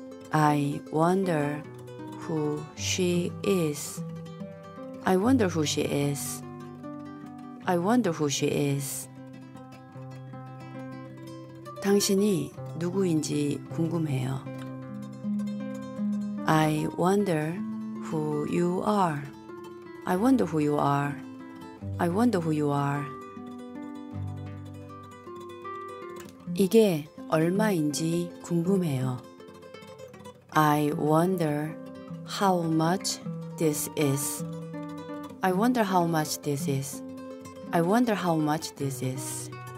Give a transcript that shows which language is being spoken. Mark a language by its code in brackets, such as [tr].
[en] I wonder who she is. I wonder who she is. I wonder who she is. [ko] 당신이 누구인지 궁금해요. [en] I wonder who you are. I wonder who you are. I wonder who you are. [ko] 이게 얼마인지 궁금해요. [en] I wonder how much this is. I wonder how much this is. I wonder how much this is.